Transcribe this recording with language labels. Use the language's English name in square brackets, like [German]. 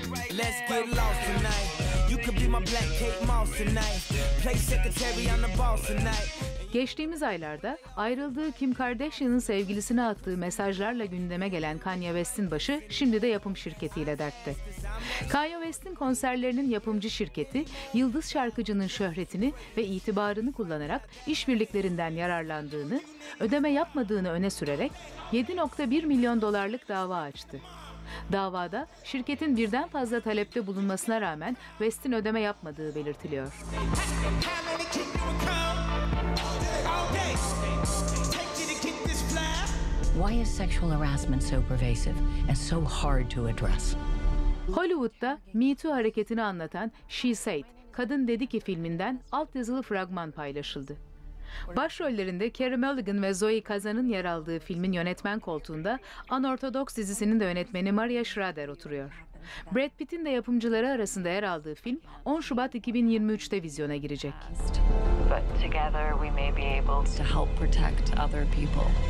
[English] Let's get lost tonight. You could be my black Kate Moss tonight. Play secretary on the ball tonight. [Turkish] Geçtiğimiz aylarda ayrıldığı Kim Kardashian'ın sevgilisine attığı mesajlarla gündeme gelen Kanye West'in başı şimdi de yapım şirketiyle dertte. Kanye West'in konserlerinin yapımcı şirketi, yıldız şarkıcının şöhretini ve itibarını kullanarak işbirliklerinden yararlandığını, ödeme yapmadığını öne sürerek 7.1 milyon dolarlık dava açtı. Davada şirketin birden fazla talepte bulunmasına rağmen West'in ödeme yapmadığı belirtiliyor. [English] Why is sexual harassment so pervasive and so hard to address? [Turkish] Hollywood'da Me Too hareketini anlatan She Said, Kadın Dedi Ki filminden altyazılı fragman paylaşıldı. Başrollerinde Carey Mulligan ve Zoe Kazan'ın yer aldığı filmin yönetmen koltuğunda Unorthodox dizisinin de yönetmeni Maria Shrader oturuyor. Brad Pitt'in de yapımcıları arasında yer aldığı film 10 Şubat 2023'te vizyona girecek. [English] But together we may be able to help protect other people.